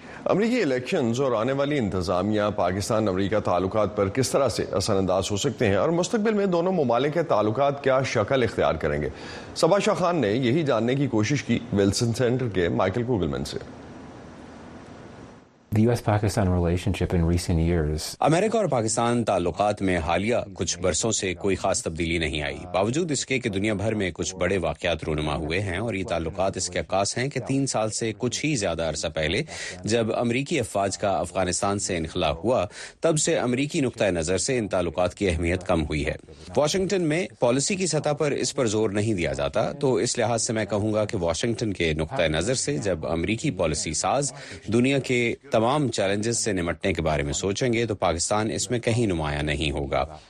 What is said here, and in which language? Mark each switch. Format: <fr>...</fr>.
<ur>امریکی الیکشنز اور آنے والی انتظامیہ پاکستان امریکہ تعلقات پر کس طرح سے اثر انداز ہو سکتے ہیں، اور مستقبل میں دونوں ممالک کے تعلقات کیا شکل اختیار کریں گے؟ صبا شاہ خان نے یہی جاننے کی کوشش کی ویلسن سینٹر کے مائیکل کوگلمن سے۔</ur> <en>The US-Pakistan relationship in recent years.</en> <ur>امریکہ اور پاکستان تعلقات میں حالیہ کچھ برسوں سے کوئی خاص تبدیلی نہیں آئی، باوجود اس کے کہ دنیا بھر میں کچھ بڑے واقعات رونما ہوئے ہیں، اور یہ تعلقات اس کے عکاس ہیں کہ 3 سال سے کچھ ہی زیادہ عرصہ پہلے جب امریکی افواج کا افغانستان سے انخلاء ہوا، تب سے امریکی نقطۂ نظر سے ان تعلقات کی اہمیت کم ہوئی ہے۔ واشنگٹن میں پالیسی کی سطح پر اس پر زور نہیں دیا جاتا، تو اس لحاظ سے میں کہوں گا کہ واشنگٹن کے نقطۂ نظر سے جب امریکی پالیسی ساز دنیا کے تمام چیلنجز سے نمٹنے کے بارے میں سوچیں گے تو پاکستان اس میں کہیں نمایاں نہیں ہوگا۔</ur>